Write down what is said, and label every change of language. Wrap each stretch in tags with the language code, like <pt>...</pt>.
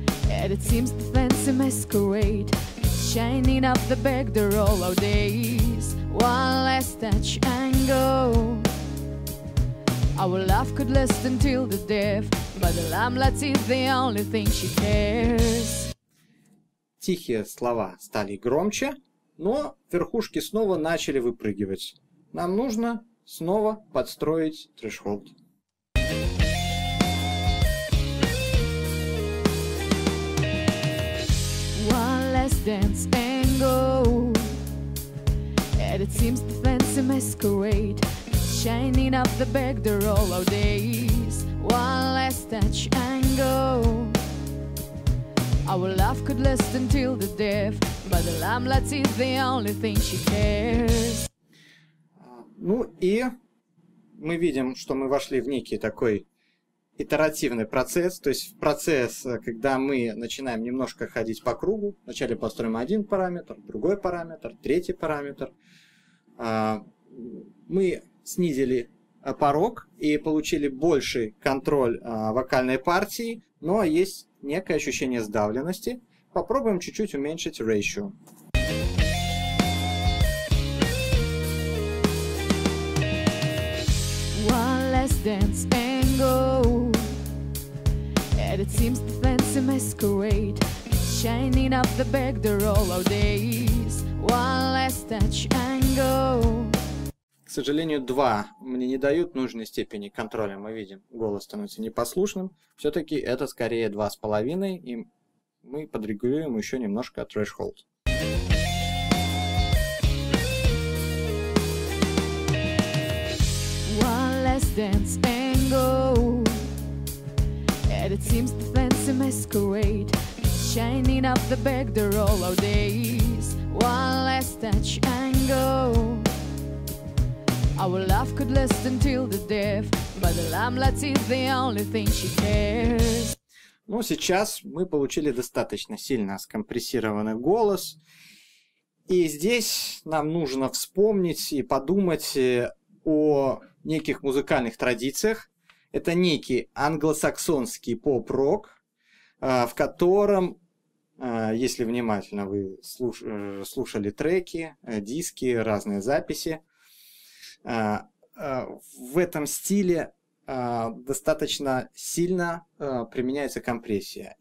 <en>And it seems the fancy masquerade shining up the back door all our days. One last touch and go. Our love could last until the death, but the lamplight is the only thing she cares.</en> <ru>Тихие слова стали громче, но верхушки снова начали выпрыгивать. Нам нужно снова подстроить трешхолд.</ru> <en>One last dance and go. And it seems the fancy masquerade shining up the back door all our days. One last touch and go. Our love could last until the death, but the lamplight is the only thing she cares.</en> <ru>Ну и мы видим, что мы вошли в некий такой итеративный процесс, то есть в процесс, когда мы начинаем немножко ходить по кругу. Вначале построим один параметр, другой параметр, третий параметр. Мы снизили порог и получили больший контроль вокальной партии, но есть некое ощущение сдавленности. Попробуем чуть-чуть уменьшить ratio.</ru> <en>Dance and go. And it seems the fancy masquerade shining up the back door all our days. One last touch and go.</en> <ru>К сожалению, два мне не дают нужной степени контроля. Мы видим, голос становится непослушным. Все-таки это скорее 2.5, и мы подрегулируем еще немножко threshold.</ru> <en>Dance and go. And it seems the fancy masquerade shining up the back door all our days. One last touch and go. Our love could last until the death, but the lamplight is the only thing she cares.</en> <ru>Ну, сейчас мы получили достаточно сильно скомпрессированный голос. И здесь нам нужно вспомнить и подумать о неких музыкальных традициях. Это некий англосаксонский поп-рок, в котором, если внимательно вы слушали треки, диски, разные записи, в этом стиле достаточно сильно применяется компрессия.</ru>